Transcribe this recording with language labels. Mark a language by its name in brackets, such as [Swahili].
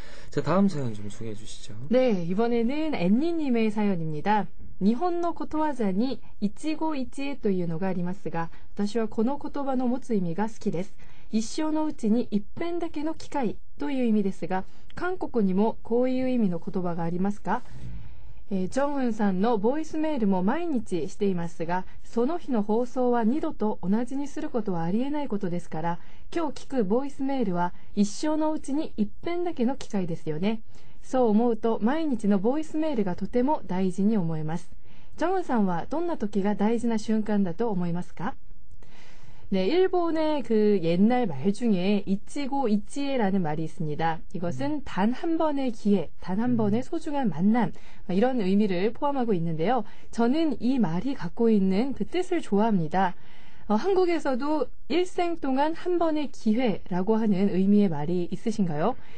[Korean] 자, 다음 사연 좀 소개해 주시죠. 네, 이번에는 앤니님의 사연입니다. [Japanese] 日本の言葉に 一期一会 というのがありますが 私はこの言葉の持つ意味が好きです 一生のうちに一遍だけの機会 という意味ですが 韓国にもこういう意味の言葉がありますか? ジョンウンさんのボイスメールも毎日していますが その日の放送は二度と同じにすることはありえないことですから 今日聞くボイスメールは一生のうちに一遍だけの機会ですよね そう思うと毎日のボイスメールがとても大事に思えます ジョンさんはどんな時が大事な瞬間だと思いますか? [Korean] 네, 일본의 그 옛날 말 중에 잊지고 잊지에라는 말이 있습니다. 이것은 단 한 번의 기회, 단 한 번의 소중한 만남 이런 의미를 포함하고 있는데요. 저는 이 말이 갖고 있는 그 뜻을 좋아합니다. 한국에서도 일생 동안 한 번의 기회라고 하는 의미의 말이 있으신가요?